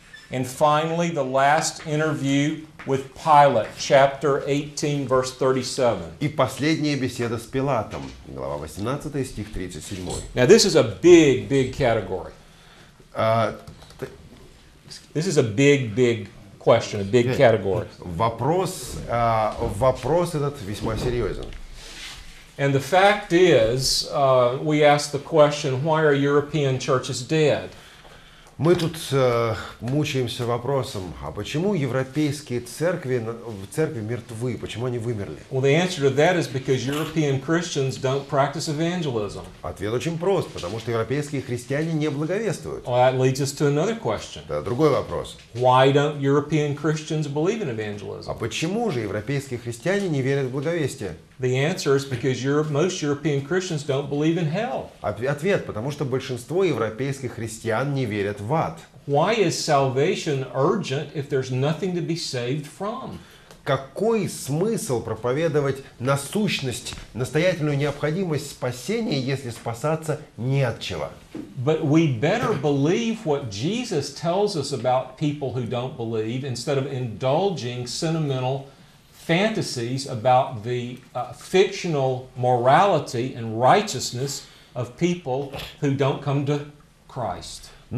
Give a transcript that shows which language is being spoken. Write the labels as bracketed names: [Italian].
[English] and finally the last interview with Pilate, chapter 18, verse 37. [Russian] И последняя беседа с Пилатом, глава 18, стих 37. [English] Now this is a big, big category. This is a big, big question, a big category. [Russian] Вопрос этот весьма серьезен. [English] And the fact is, we ask the question, why are European churches dead? [Russian] Мы тут мучаемся вопросом, а почему европейские церкви мертвы? Почему они вымерли? [English] Well, the answer to that is because European Christians don't practice evangelism. [Russian] Ответ очень прост, потому что европейские христиане не благовествуют. [English] Well, that leads us to another question. [Russian] Да, другой вопрос. [English] Why don't European Christians believe in evangelism? [Russian] А почему же европейские христиане не верят в благовестие? [English] The answer is because most European Christians don't believe in hell. [Russian] Ответ, потому что большинство европейских христиан не верят в ад. [English] Why is salvation urgent if there's nothing to be saved from? [Russian] Какой смысл проповедовать насущность, настоятельную необходимость спасения, если спасаться не от чего? [English] But we better believe what Jesus tells us about people who don't believe instead of indulging sentimental fantasies about the fictional morality and righteousness of people who don't come to Christ.